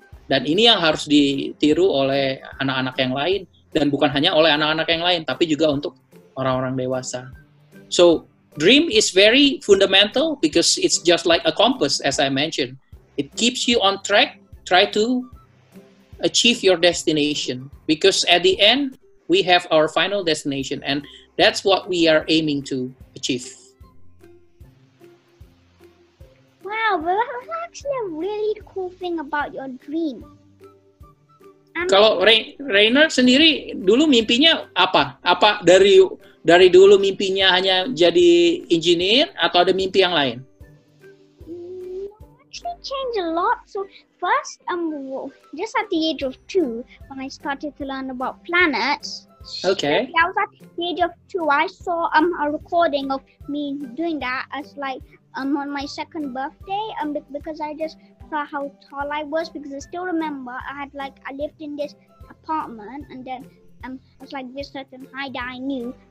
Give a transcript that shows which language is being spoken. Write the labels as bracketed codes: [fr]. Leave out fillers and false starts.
[id] Dan ini yang harus ditiru oleh anak-anak yang lain, dan bukan hanya oleh anak-anak yang lain, tapi juga untuk orang-orang dewasa. [en] So, dream is very fundamental because it's just like a compass, as I mentioned. It keeps you on track, try to achieve your destination. Because at the end, we have our final destination. And That's what we are aiming to achieve. Wow, but that's actually a really cool thing about your dream. [id] Kalau Reynard sendiri dulu mimpinya apa? Apa dari dulu mimpinya hanya jadi engineer atau ada mimpi yang lain? [en] Actually change a lot. So first, just at the age of 2, when I started to learn about planets. Okay. I was at the age of 2, I saw a recording of me doing that as like on my second birthday, because I just saw how tall I was, because I still remember I lived in this apartment, and then it's like this certain height that I knew.